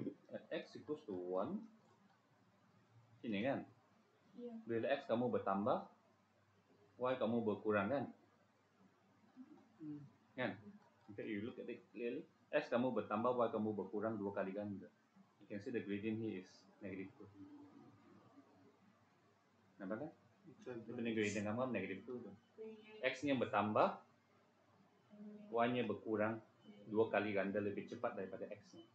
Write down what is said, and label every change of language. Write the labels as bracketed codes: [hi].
[en] At x equals to 1, [ms] sini kan? [en] Yeah. [ms] Bila x kamu bertambah, y kamu berkurang kan? Mm. Kan? [en] Okay, you look at it clearly. [ms] X kamu bertambah, y kamu berkurang dua kali ganda. [en] You can see the gradient here is negative 2. [ms] Nampak kan? Ini gradient kamu negative 2. X ni yang bertambah, Y-nya berkurang dua kali ganda lebih cepat daripada X-nya.